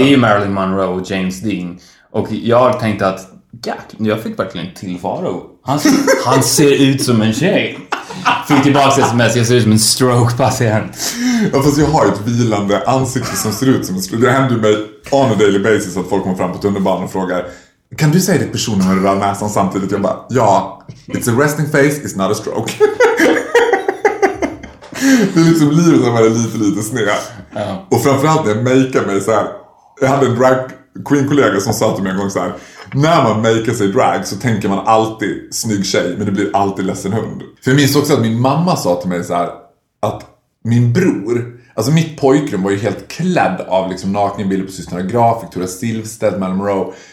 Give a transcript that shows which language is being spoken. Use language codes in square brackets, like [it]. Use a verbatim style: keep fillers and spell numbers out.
[sv] Det är ju Marilyn Monroe och James Dean. Och jag tänkte att jag fick verkligen tillvaro. Han, han ser ut som en tjej. Fick tillbaka sms, jag ser ut som en stroke-patient. Ja, fast jag har ett vilande ansikte som ser ut som en stroke. Det händer mig [en] on a daily basis [sv] att folk kommer fram på tunnelbanan och frågar, kan du säga ditt personnummer och rör näsan samtidigt? Jag bara, ja, [en] it's a resting face, it's not a stroke. [sv] Det är liksom livet som är lite, lite sned. Ja. Och framförallt när jag makear mig så här. Jag hade en drag queen-kollega som sa till mig en gång så här: när man maker sig drag så tänker man alltid snygg tjej, men det blir alltid ledsen hund. För jag minns också att min mamma sa till mig så här, att min bror, alltså mitt pojkrum var ju helt klädd av liksom nakenbilder på systrarna Graf, Victoria Silvstedt, Marilyn Monroe.